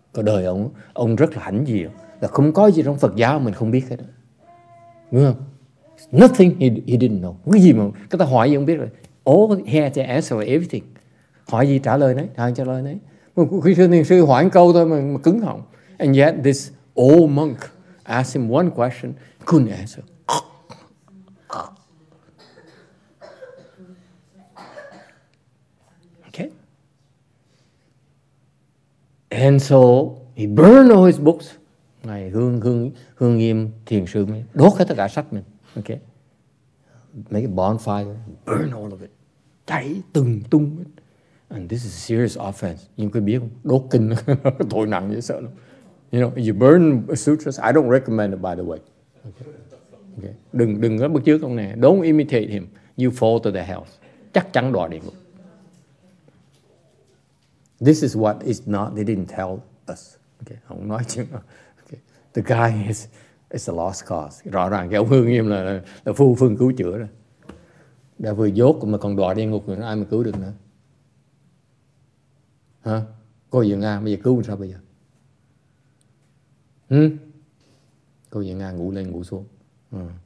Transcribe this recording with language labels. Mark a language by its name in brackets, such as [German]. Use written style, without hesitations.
[Vietnamese] Cả đời ông rất là hãnh diện. Là không có gì trong Phật giáo mình không biết hết. Đúng không? [English] Nothing he didn't know. [Vietnamese] Cái gì mà người ta hỏi gì ông biết rồi. [English] All he had to answer everything. [Vietnamese] Hỏi gì trả lời đấy, trả lời đấy. Khi sư thiền sư hỏi một câu thôi mà cứng họng. [English] And yet this old monk asked him one question, couldn't answer. Okay. And so he burned all his books. [Vietnamese] Ngài Hương Nghiêm thiền sư mới đốt hết tất cả sách mình. [English] Okay. Make a bonfire, burn all of it. [Vietnamese] Cháy từng tung. [English] And this is a serious offense. [Vietnamese] Nhưng quý biết không? Đốt kinh tội nặng dễ sợ lắm. [English] You know, you burn sutras, I don't recommend it, by the way. Okay. [Vietnamese] Đừng có bước trước ông này. [English] Don't imitate him. You fall to the hell. [Vietnamese] Chắc chắn đọa địa ngục. [English] This is what is not, they didn't tell us. Okay. [Vietnamese] Không nói chứ. [English] Okay. The guy is a lost cause. [Vietnamese] Rõ ràng cái ông Hương Nghiêm là phu phương cứu chữa rồi. Đã vừa dốt mà còn đọa địa ngục thì ai mà cứu được nữa? Hả? Cô Dương Nga bây giờ cứu sao bây giờ? Hử? Cô Dương Nga ngủ lên ngủ xuống. Ừ.